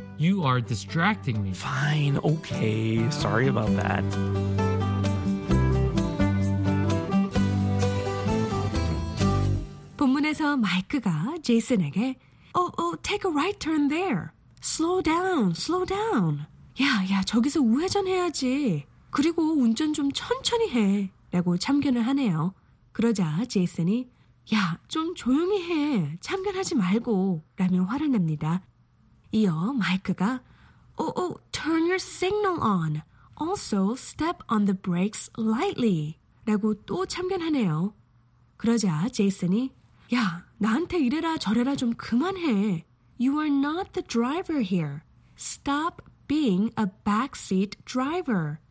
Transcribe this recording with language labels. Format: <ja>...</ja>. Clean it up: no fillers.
<en>You are distracting me. Fine, okay. Sorry about that. In the</en> <ko>본문에서 마이크가 제이슨에게</ko> <en>take a right turn there. Slow down, slow down.</en> <ko>야, 저기서 우회전해야지. 그리고 운전 좀 천천히 해. 라고 참견을 하네요. 그러자 제이슨이 야, 좀 조용히 해. 참견하지 말고. 라며 화를 냅니다. 이어 마이크가</ko> <en>Oh, oh, turn your signal on. Also, step on the brakes lightly.</en> <ko>라고 또 참견하네요. 그러자 제이슨이 야, 나한테 이래라 저래라 좀 그만해.</ko> <en>You are not the driver here. Stop being a backseat driver.</en>